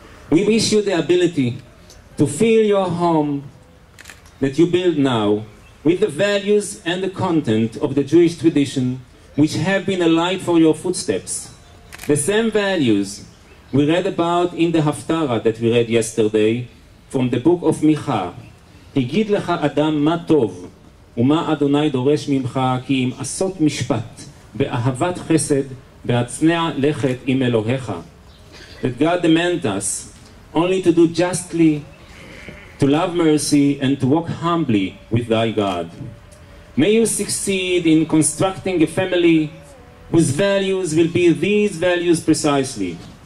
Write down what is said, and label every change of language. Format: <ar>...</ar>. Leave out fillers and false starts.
<en>We wish you the ability to fill your home that you build now with the values and the content of the Jewish tradition which have been a light for your footsteps. The same values we read about in the Haftarah that we read yesterday from the book of Micha.</en> <he>Higid lecha adam ma tov. ומה אדוני דורש ממך כי אם עשות משפט באהבת חסד והצנע לכת עם אלוהיך.</he> <en>That God demands us only to do justly, to love mercy and to walk humbly with thy God. May you succeed in constructing a family whose values will be these values precisely.</en>